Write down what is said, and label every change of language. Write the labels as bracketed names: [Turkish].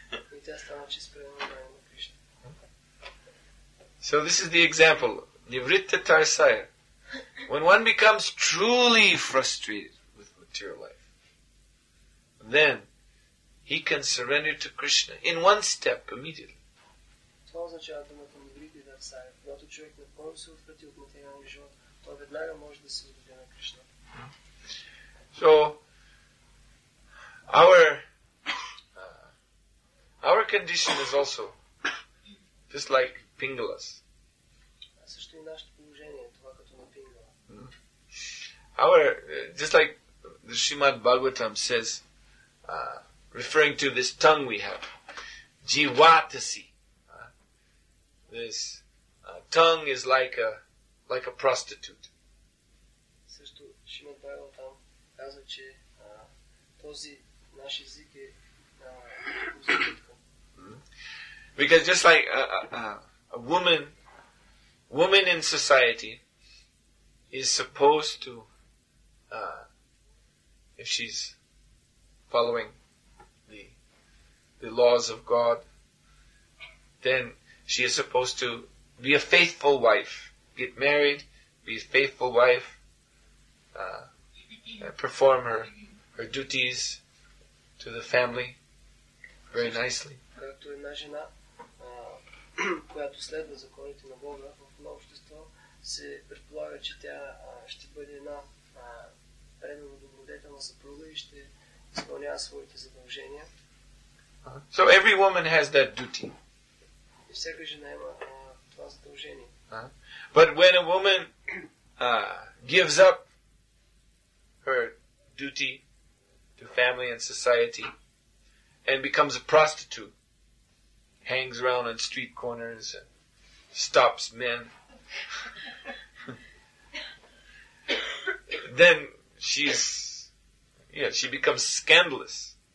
[Bulgarian] И тя стана чист преданник на Кришна. [English] So this is the example. Nivritta Tarsaya. When one becomes truly frustrated to your life, then he can surrender to Krishna in one step immediately. [Bulgarian] Това означава думата нивриди дарсая. Когато човек напълно се отврати от материалния живот, той веднага може да се отдаде на Кришна. [English] So, our condition is also just like Pingala's. [Bulgarian] Също и нашето положение, това като на Пингала. [English] Our, just like the Srimad Bhagavatam says, referring to this tongue we have, jivatasi. This tongue is like a prostitute. [Bulgarian] Също Шимат Бхагаватам каза, че този наш език е проститутка. [English] Because just like a woman in society is supposed to if she's following the laws of God, then she is supposed to be a faithful wife, get married, be a faithful wife, perform her duties to the family very nicely. [Bulgarian] Както една жена, която следва законите на Бога в общество, се предполага, че тя ще бъде една предано добродетелна съпруга и ще изпълнява своите задължения. [English] So every woman has that duty. [Bulgarian] Всяка жена има това задължение. [English] But when a woman gives up her duty to family and society and becomes a prostitute, hangs around on street corners and stops men, then she becomes scandalous.